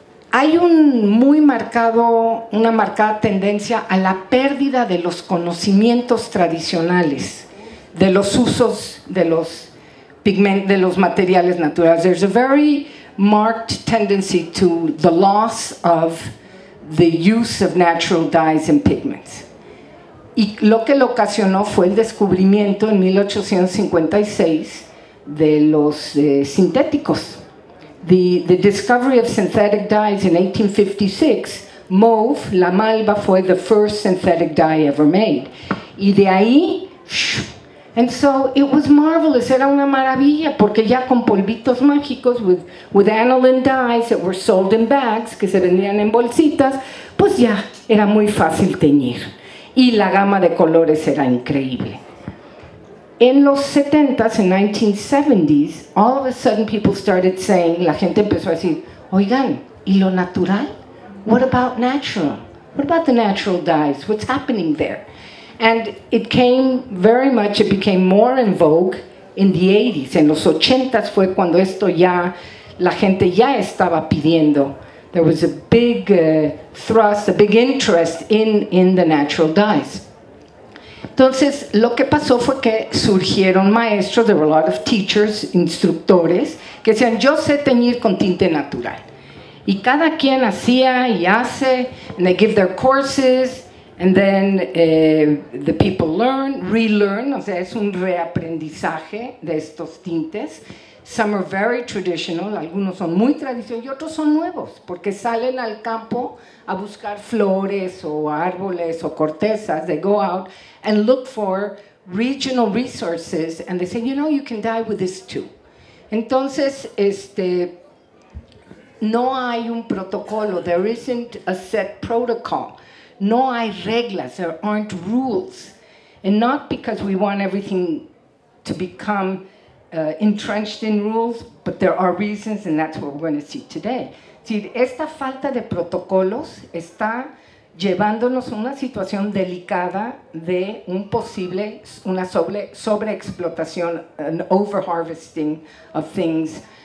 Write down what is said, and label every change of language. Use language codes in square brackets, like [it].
[es] Hay un muy marcado, una marcada tendencia a la pérdida de los conocimientos tradicionales, de los usos de los pigmentos, de los materiales naturales. [en] There's a very marked tendency to the loss of the use of natural dyes and pigments. [es] Y lo que lo ocasionó fue el descubrimiento en 1856 de los sintéticos. [en] The discovery of synthetic dyes in 1856, mauve, [es] la malva, fue [en] the first synthetic dye ever made. [es] Y de ahí, [en] and so it was marvelous, [es] era una maravilla, porque ya con polvitos mágicos, [en] with aniline dyes that were sold in bags, [es] que se vendían en bolsitas, pues ya era muy fácil teñir. Y la gama de colores era increíble. En los 70s, en 1970s, [en] all of a sudden people started saying, [es] la gente empezó a decir, oigan, ¿y lo natural? [en] What about natural? What about the natural dyes? What's happening there? And it came very much, it became more in vogue in the 80s. [es] En los 80s fue cuando esto ya, la gente ya estaba pidiendo. [en] There was a big thrust, a big interest in the natural dyes. [es] Entonces, lo que pasó fue que surgieron maestros, [en] there were a lot of teachers, [es] instructores, que decían, yo sé teñir con tinte natural. Y cada quien hacía y hace, [en] and they give their courses, and then the people learn, relearn, [es] o sea, es un reaprendizaje de estos tintes. [en] Some are very traditional, [es] algunos son muy tradicionales, y otros son nuevos, porque salen al campo a buscar flores o árboles o cortezas. [en] They go out and look for regional resources, and they say, you know, you can dye with this too. [es] Entonces, no hay un protocolo, [en] there isn't a set protocol. [es] No hay reglas, [en] there aren't rules. And not because we want everything to become entrenched in rules, but there are reasons, and that's what we're going to see today. [es] Esta falta de protocolos está llevándonos a una situación delicada de un posible, una sobreexplotación, [en] an over-harvesting of things.